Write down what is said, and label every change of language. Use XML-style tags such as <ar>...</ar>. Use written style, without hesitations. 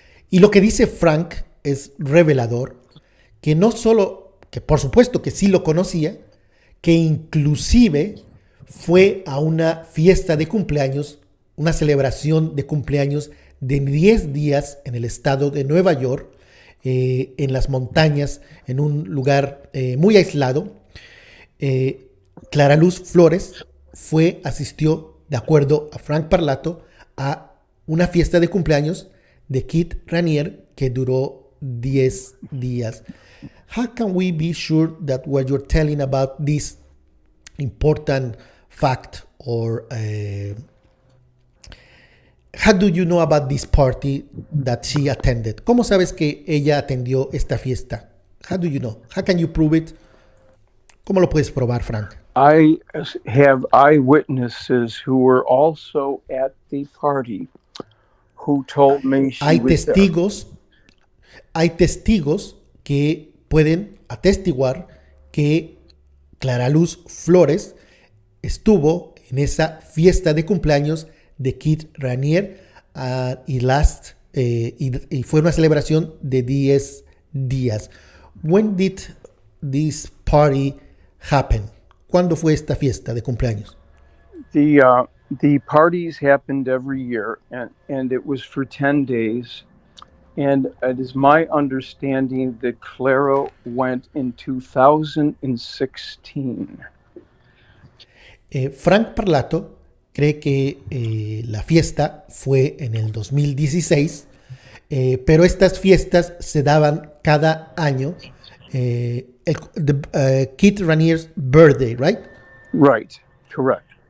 <es>Y lo que dice Frank es revelador, que no solo, que por supuesto que sí lo conocía, que inclusive fue a una fiesta de cumpleaños, una celebración de cumpleaños de 10 días en el estado de Nueva York, en las montañas, en un lugar muy aislado. Clara Luz Flores asistió, de acuerdo a Frank Parlato, a una fiesta de cumpleaños de Keith Raniere que duró 10 días.</es> <en>How can we be sure that what you're telling about this important fact or how do you know about this party that she attended?</en> <es>¿Cómo sabes que ella atendió esta fiesta?</es> <en>How do you know? How can you prove it?</en> <es>¿Cómo lo puedes probar, Frank?</es> <en>I have eyewitnesses who were also at the party who told me she</en> <es>Hay</es> <en>was there.</en> <es>testigos que pueden atestiguar que Clara Luz Flores estuvo en esa fiesta de cumpleaños de Keith Raniere y fue una celebración de 10 días.</es> <en>When did this party happen?</en> <es>¿Cuándo fue esta fiesta de cumpleaños?</es> <en>The parties happened every year, and it was for 10 days. And it is my understanding that Clara went in 2016.</en> <es>Frank Parlato cree que la fiesta fue en el 2016, pero estas fiestas se daban cada año.</es> <en>Keith Raniere's birthday, right? Right, correct.</en>